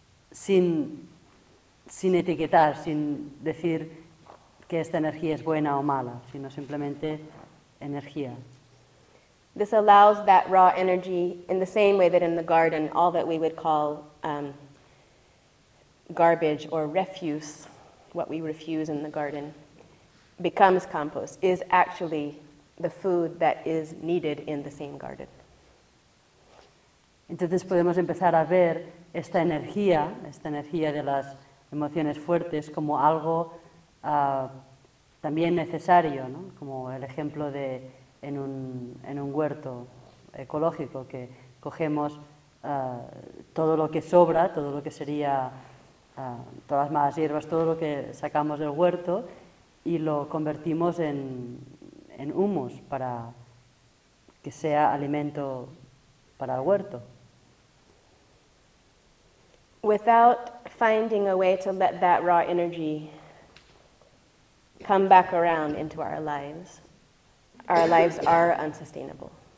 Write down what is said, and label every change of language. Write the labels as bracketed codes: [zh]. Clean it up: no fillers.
[es] Sin etiquetar, sin decir que esta energía es buena o mala, sino simplemente energía. [en] This allows that raw energy, in the same way that in the garden, all that we would call garbage or refuse, what we refuse in the garden, becomes compost, is actually the food that is needed in the same garden. [es] Entonces podemos empezar a ver esta energía de las emociones fuertes, como algo también necesario, ¿no? Como el ejemplo de en un huerto ecológico, que cogemos todo lo que sobra, todo lo que sería, todas las malas hierbas, todo lo que sacamos del huerto y lo convertimos en humus para que sea alimento para el huerto. [en] Without finding a way to let that raw energy come back around into our lives are unsustainable.